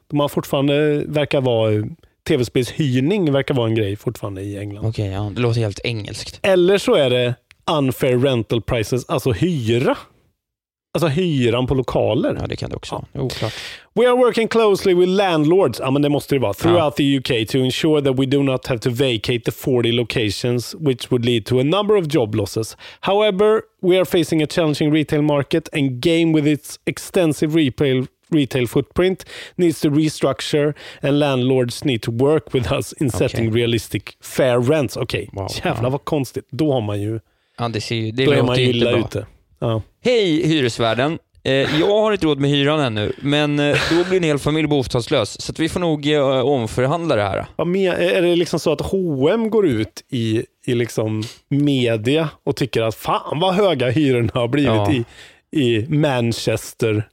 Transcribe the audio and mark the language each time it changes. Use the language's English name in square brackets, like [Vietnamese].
[Swedish] De har fortfarande verkar vara... TV-spels hyrning verkar vara en grej fortfarande i England. Okej, ja, det låter helt engelskt. Eller så är det [English] unfair rental prices, [Swedish] alltså hyra. Alltså hyran på lokaler. Ja, det kan det också vara. Ja. [English] We are working closely with landlords. [Swedish] Ja, men det måste det vara. [English] Throughout the UK to ensure that we do not have to vacate the 40 locations which would lead to a number of job losses. However, we are facing a challenging retail market and Game with its extensive retail footprint needs to restructure and landlords need to work with us in setting realistic fair rents. [Swedish] Okej, okay. Wow, jävlar vad konstigt. Då har man ju... Ja, det ser ju det då är man ju illa ute. Ja. Hej hyresvärden. Jag har inte råd med hyran ännu, men då blir en hel familj bostadslös, så att vi får nog omförhandla det här. Ja, är det liksom så att H&M går ut i liksom media och tycker att fan vad höga hyrorna har blivit i Manchester?